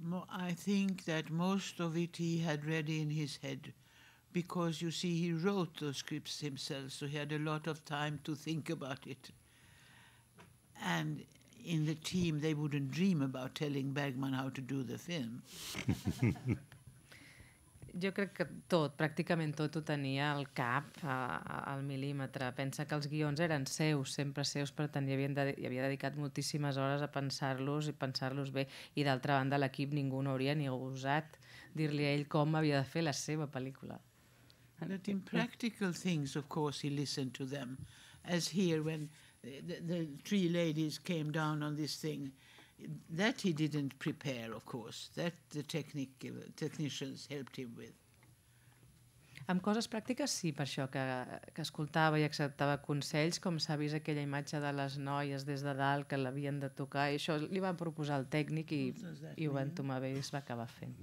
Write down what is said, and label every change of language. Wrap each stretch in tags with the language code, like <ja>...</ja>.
<en>I think that most of it he had ready in his head, because, you see, he wrote those scripts himself, so he had a lot of time to think about it. And in the team, they wouldn't dream about telling Bergman how to do the film.</en> <ca>Jo crec que tot, pràcticament tot, ho tenia al cap, al mil·límetre. Pensa que els guions eren seus, sempre seus, per tant, hi havia dedicat moltíssimes hores a pensar-los i pensar-los bé. I d'altra banda, l'equip, ningú no hauria ni gosat dir-li a ell com havia de fer la seva pel·lícula.</ca> <en>But in practical things, of course, he listened to them. As here, when the three ladies came down on this thing, that he didn't prepare, of course, that the technicians helped him with.</en> <ca>Amb coses pràctiques, sí, per això que escoltava i acceptava consells, com s'ha vist aquella imatge de les noies des de dalt que l'havien de tocar, i això li va proposar el tècnic i ho va entomar bé i es va acabar fent.</ca>